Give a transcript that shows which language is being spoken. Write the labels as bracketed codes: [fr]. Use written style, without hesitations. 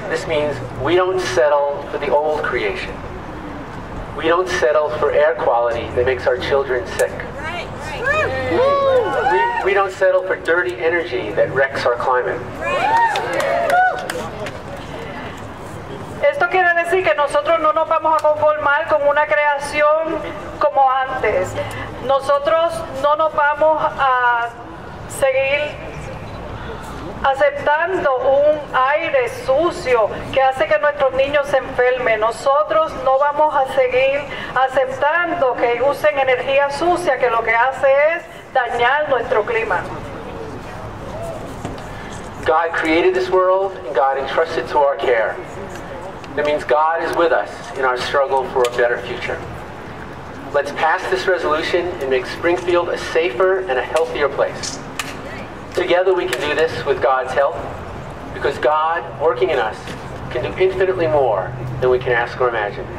[en] This means we don't settle for the old creation. We don't settle for air quality that makes our children sick. We don't settle for dirty energy that wrecks our climate. [es] Esto quiere decir que nosotros no nos vamos a conformar con una creación como antes. Nosotros no nos vamos a seguir aceptando un aire sucio que hace que nuestros niños se enfermen. Nosotros no vamos a seguir aceptando que usen energía sucia que lo que hace es dañar nuestro clima. [en] God created this world and God entrusted to our care. That means God is with us in our struggle for a better future. Let's pass this resolution and make Springfield a safer and a healthier place. Together we can do this with God's help, because God, working in us, can do infinitely more than we can ask or imagine.